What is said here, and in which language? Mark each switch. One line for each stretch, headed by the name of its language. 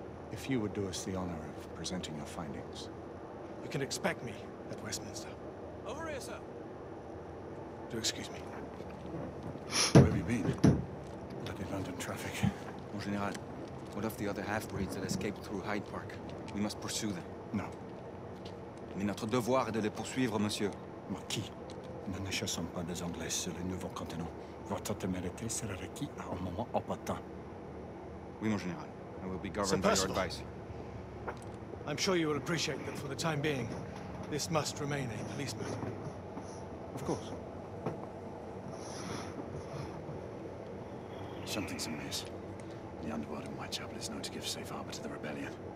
English: If you would do us the honor of presenting your findings. You can expect me at Westminster. Over here, sir. Do excuse me. Where have you been? Bloody London traffic. Monseigneur, what of the other half-breeds that escaped through Hyde Park? We must pursue them. No.
French: Mais notre devoir est de les poursuivre, monsieur. Marquis, nous ne chassons pas des Anglais sur le nouveau continent. Votre témérité sera requis à un moment opportun. Oui, mon général.
English: I will be governed by your advice. I'm sure you will appreciate that for the time being, this must remain a police matter. Of course. Something's amiss. The underworld in Whitechapel is known to give safe harbor to the rebellion.